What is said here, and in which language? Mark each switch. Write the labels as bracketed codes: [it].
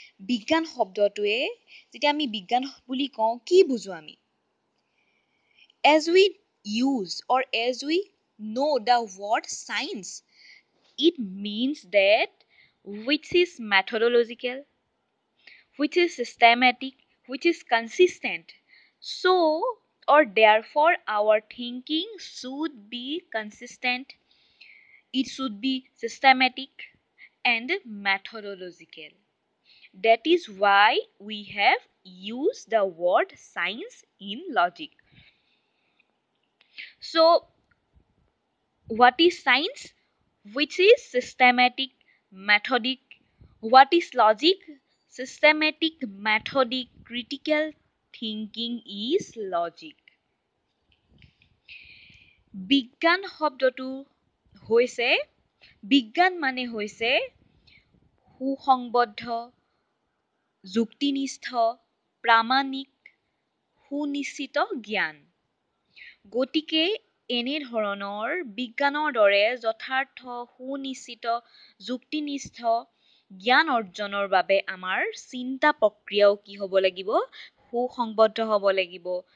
[as] বিজ্ঞান শব্দটোৱে যেতিয়া আমি বিজ্ঞান বুলি কওঁ কি বুজোঁ আমি [en] As we use or as we know the word science it means that which is methodological, which is systematic, which is consistent. So, or therefore, our thinking should be consistent, it should be systematic and methodological. That is why we have used the word science in logic. So, what is science? Which is systematic. Methodic. What is logic? Systematic, methodic, critical thinking is logic. [as] বিজ্ঞান শব্দটো হৈছে বিজ্ঞান মানে হৈছে সুসংবদ্ধ যুক্তিনিষ্ঠ প্ৰামাণিক সুনিশ্চিত জ্ঞান গতিকে এনেধৰণৰ বিজ্ঞানৰ দৰে যথাৰ্থ সুনিশ্চিত যুক্তিনিষ্ঠ জ্ঞান অৰ্জনৰ বাবে আমাৰ চিন্তা প্ৰক্ৰিয়াও কি হ'ব লাগিব সুসংবদ্ধ হ'ব লাগিব